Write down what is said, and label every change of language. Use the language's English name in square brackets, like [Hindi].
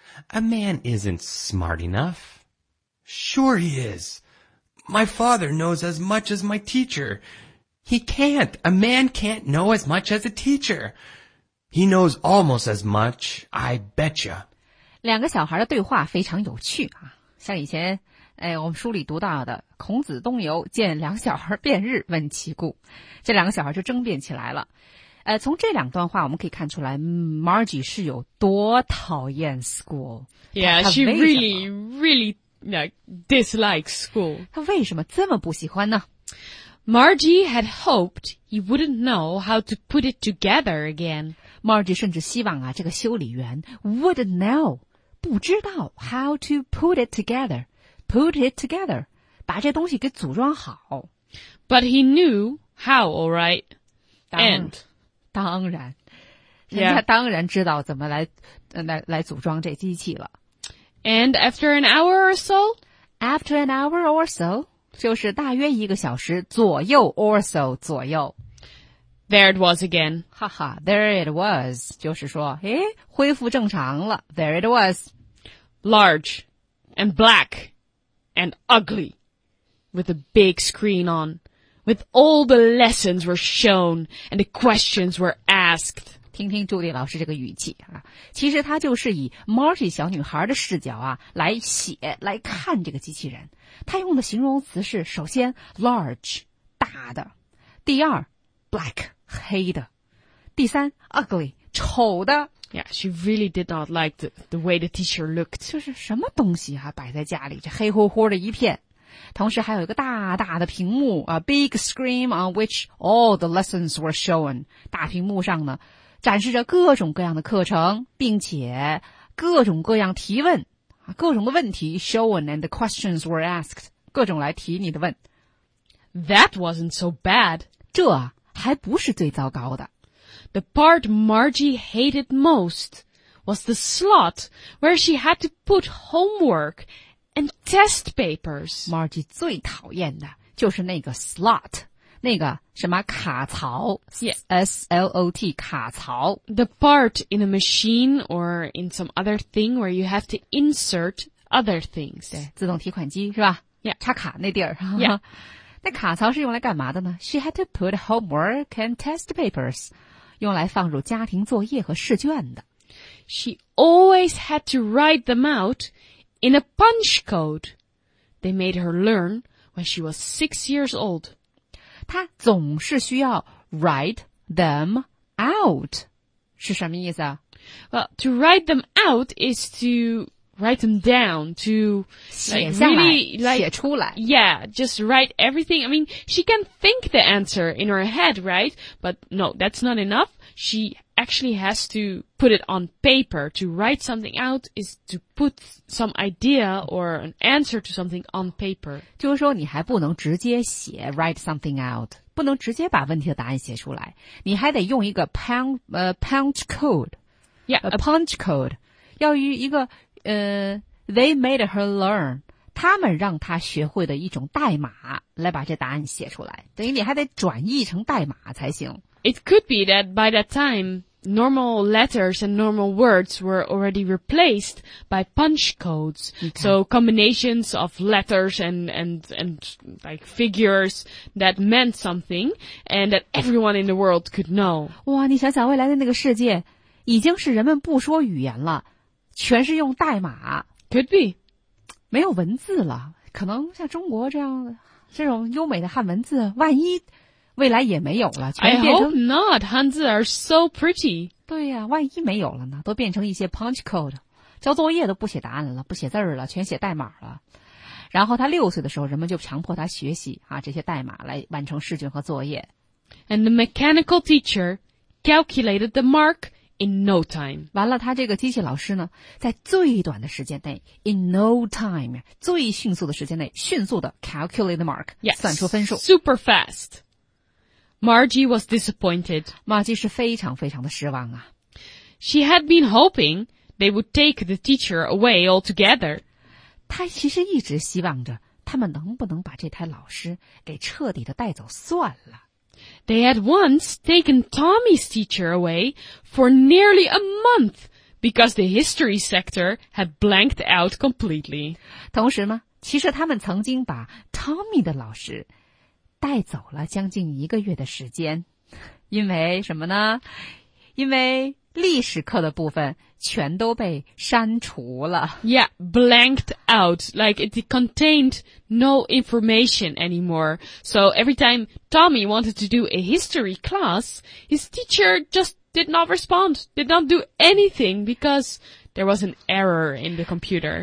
[English] "A man isn't smart enough." "Sure he is. My father knows as much as my teacher." "He can't. A man can't know as much as a teacher." "He knows almost as much, I betcha." [Chinese] 两个小孩的对话非常有趣啊，像以前我们书里读到的孔子东游见两小孩辩日问其故，这两个小孩就争辩起来了。从这两段话我们可以看出来 Margie 是有多讨厌 school。 [English] Yeah, she really, really, like, dislikes school. [Chinese] 她为什么这么不喜欢呢？ [English] Margie had hoped he wouldn't know how to put it together again. [Chinese] Margie 甚至希望啊，这个修理员 [English] wouldn't know, [Chinese] 不知道 [English] how to put it together, put it together, [Chinese] 把这东西给组装好。 [English] But he knew how, all right. And [Chinese] 当然，人家当然知道怎么来组装这机器了。 [English] And after an hour or so, after an hour or so. [Chinese] 就是大约一个小时左右 [English] or so [Chinese] 左右。 [English] There it was again. 哈哈 ,there it was. [Chinese] 就是说恢复正常了 , [English] there it was. Large and black and ugly with a big screen on, with all the lessons were shown and the questions were asked. [Chinese] 听听朱莉老师这个语气啊，其实他就是以 Margie 小女孩的视角啊来写来看这个机器人。他用的形容词是首先 large, 大的。第二 black, 黑的。第三 ugly, 丑的。 [English] Yeah, she really did not like the way the teacher looked. [Chinese] 就是什么东西啊摆在家里这黑乎乎的一片。同时还有一个大大的屏幕 [English] a big screen on which all the lessons were shown. [Chinese] 大屏幕上呢展示着各种各样的课程并且各种各样提问。各种的问题 [English] shown and the questions were asked, [Chinese] 各种来提你的问。 [English] That wasn't so bad. [Chinese] 这还不是最糟糕的。 [English] The part Margie hated most was the slot where she had to put homework and test papers. [Chinese] Margie 最讨厌的就是那个 slot, 那个什么卡槽、 [English] yeah. [Chinese] S-L-O-T, 卡槽。 [English] The part in a machine or in some other thing where you have to insert other things. [Chinese] 对，自动提款机是吧、 [English] yeah. [Chinese] 插卡那地儿。 [English] Yeah. [Chinese] 那卡槽是用来干嘛的呢 ? [English] She had to put homework and test papers, [Chinese] 用来放入家庭作业和试卷的。 [English] She always had to write them out in a punch code. They made her learn when she was 6 years old. [Chinese] 他总是需要 [English] write them out [Chinese] 是什么意思啊 [English] Well, to write them out is to write them down to [Chinese] 写下来，写出来。 [English] Yeah, just write everything. I mean, she can think the answer in her head, right? But no, that's not enough. She actually has to put it on paper. To write something out is to put some idea or an answer to something on paper. [Chinese] 就是说你还不能直接写 [English] write something out， [Chinese] 不能直接把问题的答案写出来，你还得用一个 punch code。 [English] Yeah, a punch code， [Chinese] 要于一个 [English] they made her learn， [Chinese] 他们让她学会的一种代码来把这答案写出来，等于你还得转译成代码才行。 [English] It could be that by that time, normal letters and normal words were already replaced by punch codes. So combinations of letters and like figures that meant something and that everyone in the world could know. [Chinese] 哇，你想想未来的那个世界，已经是人们不说语言了，全是用代码。 [English] Could be. [Chinese] 没有文字了，可能像中国这样，这种优美的汉文字，万一未来也没有了。 [English] I hope not. 汉字 are so pretty. [Chinese] 对呀、啊，万一没有了呢？都变成一些 punch code， 交作业都不写答案了，不写字儿了，全写代码了。然后他六岁的时候，人们就强迫他学习啊这些代码来完成试卷和作业。 [English] And the mechanical teacher calculated the mark in no time. [Chinese] 完了，他这个机器老师呢，在最短的时间内 ， [English] in no time， [Chinese] 最迅速的时间内，迅速的 [English] calculate the mark， yes, [Chinese] 算出分数 [English] ，super fast。 Margie was disappointed. [Chinese] Margie 是非常非常的失望啊。 [English] She had been hoping they would take the teacher away altogether. [Chinese] 她其实一直希望着他们能不能把这台老师给彻底的带走算了。 [English] They had once taken Tommy's teacher away for nearly a month because the history sector had blanked out completely. [Chinese] 同时呢，其实他们曾经把 Tommy 的老师带走了将近一个月的时间，因为什么呢？因为历史课的部分全都被删除了。 [English] Yeah, blanked out, like it contained no information anymore. So every time Tommy wanted to do a history class, his teacher just did not respond, did not do anything because there was an error in the computer.